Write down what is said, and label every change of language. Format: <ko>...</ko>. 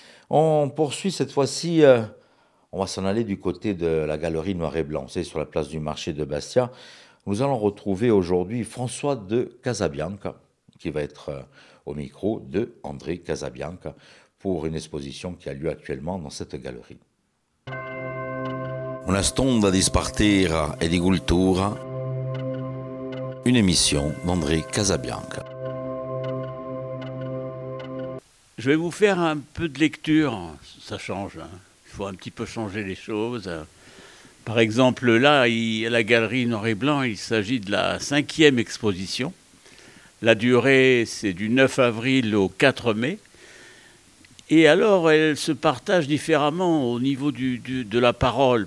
<fr>On poursuit cette fois-ci, on va s'en aller du côté de la galerie Noir et Blanc. C'est sur la place du marché de Bastia. Nous allons retrouver aujourd'hui François de Casabianca, qui va être au micro de André Casabianca pour une exposition qui a lieu actuellement dans cette galerie.</fr> <co>Una stonda di spartire e di cultura,</co> <fr>un'émission d'André Casabianca. Je vais vous faire un peu de lecture, ça change, hein. Il faut un petit peu changer les choses. Par exemple, là, à la galerie Noir et Blanc, il s'agit de la cinquième exposition. La durée, c'est du 9 avril au 4 mai. Et alors, elle se partage différemment au niveau de la parole.</fr>